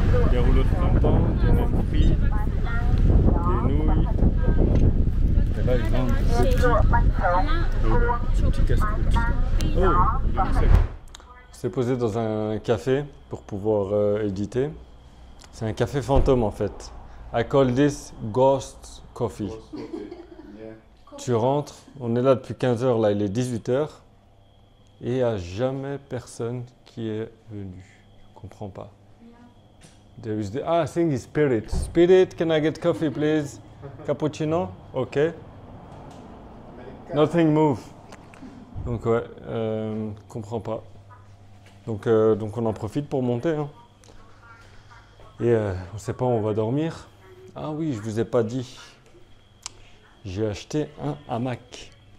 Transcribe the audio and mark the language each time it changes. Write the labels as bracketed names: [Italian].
[French] Des rouleaux de printemps, des nems frits, des nouilles. Et là, ils vendent des petits casse-croûte. Oh, il est sec. On s'est posé dans un café pour pouvoir éditer. C'est un café fantôme en fait. [English] I call this ghost coffee. Yeah. [French] Tu rentres, on est là depuis 15h, là il est 18h. Et il n'y a jamais personne qui est venu. Je ne comprends pas. [English] There is the, ah, I think it's spirit. Spirit, can I get coffee, please? Cappuccino? Ok. Nothing move. [French] Donc, ouais, je ne comprends pas. Donc, on en profite pour monter. Hein. Et on ne sait pas où on va dormir. Ah oui, je ne vous ai pas dit. J'ai acheté un hamac.